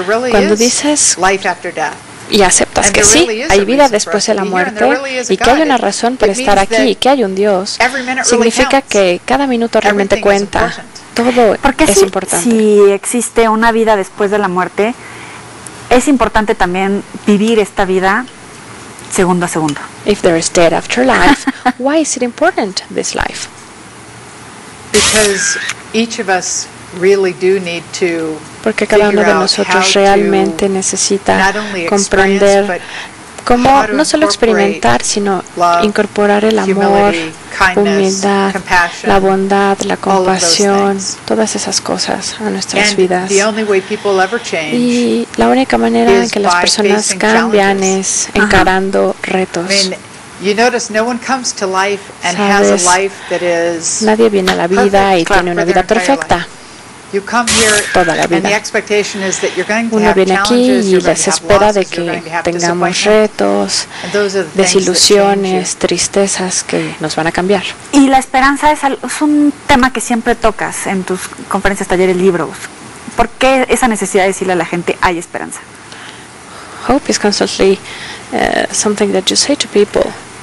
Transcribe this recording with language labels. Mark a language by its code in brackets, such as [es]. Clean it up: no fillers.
[es] Cuando dices y aceptas que sí, hay vida después de la muerte y que hay una razón para estar aquí y que hay un Dios, significa que cada minuto realmente cuenta. Todo es importante. Porque si existe una vida después de la muerte, es importante también vivir esta vida segundo a segundo. [en] If there is death after life, why is it important this life? Because each of us really do need to [es] Porque cada uno de nosotros realmente necesita comprender cómo no solo experimentar, sino incorporar el amor, humildad, la bondad, la compasión, todas esas cosas a nuestras vidas. Y la única manera en que las personas cambian es encarando retos. ¿Sabes? Nadie viene a la vida y tiene una vida perfecta. Toda la vida. Uno viene aquí y se espera de que tengamos retos, desilusiones, tristezas que nos van a cambiar. Y la esperanza es un tema que siempre tocas en tus conferencias, talleres, libros. ¿Por qué esa necesidad de decirle a la gente hay esperanza? [en] Hope is constantly something that you say to people.